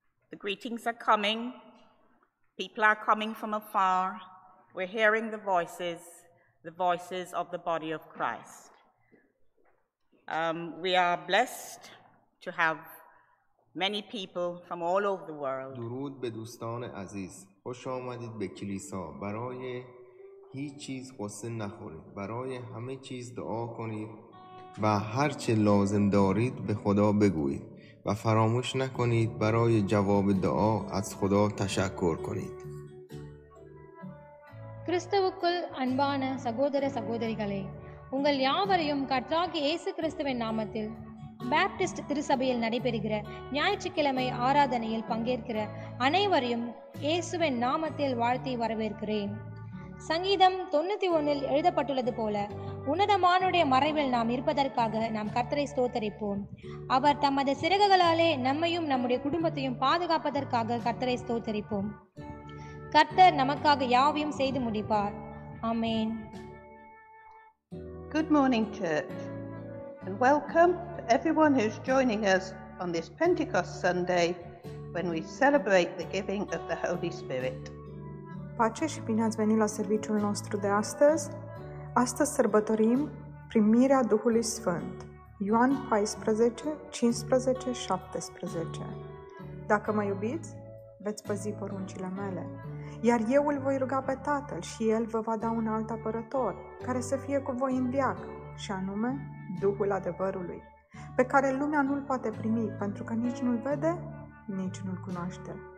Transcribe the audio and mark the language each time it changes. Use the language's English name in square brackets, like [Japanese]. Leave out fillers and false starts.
[English] The greetings are coming. People are coming from afar. We're hearing the voices of the body of Christ. We are blessed to have many people from all over the world. [Persian] درود به دوستان عزیز. خوش آمدید به کلیسا. برای هیچیز خواسته نخورید. برای همه چیز دعا کنید و هر چه لازم دارید به خدا بگویید و فراموش نکنید برای جواب دعا از خدا تشکر کنید. [Tamil] கிறிஸ்துவுக்குள் அன்பான சகோதர சகோதரிகளே, உங்கள் யாவரையும் கர்த்தராகிய இயேசு கிறிஸ்துவின் நாமத்தில் பேப்டிஸ்ட் திருச்சபையில் நடைபெறுகிற ஞாயிற்றுக்கிழமை ஆராதனையில் பங்கேற்கிற அனைவரையும் இயேசுவின் நாமத்தில் வாழ்த்தி வரவேற்கிறேன். சங்கீதம் 91 எழுதப்பட்டுள்ளது போல, உன்னதமானுடைய மறைவில் நாம் இருப்பதற்காக நாம் கர்த்தரை ஸ்தோத்தரிப்போம். அவர் தமது சிறகுகளாலே நம்மையும் நம்முடைய குடும்பத்தையும் பாதுகாப்பதற்காக கர்த்தரை ஸ்தோத்தரிப்போம். கர்த்தர் நமக்காக யாவையும் செய்து முடிப்பார். ஆமென். [English] Good morning, church, and welcome to everyone who's joining us on this Pentecost Sunday when we celebrate the giving of the Holy Spirit. [Romanian] Pace și bine ați venit la serviciul nostru de astăzi sărbătorim primirea Duhului Sfânt. Ioan 14, 15, 17. Dacă mă iubiți, veți păzi poruncile mele. Iar eu îl voi ruga pe Tatăl și El vă va da un alt apărător, care să fie cu voi în veac, și anume Duhul adevărului, pe care lumea nu-l poate primi, pentru că nici nu-l vede, nici nu-l cunoaște.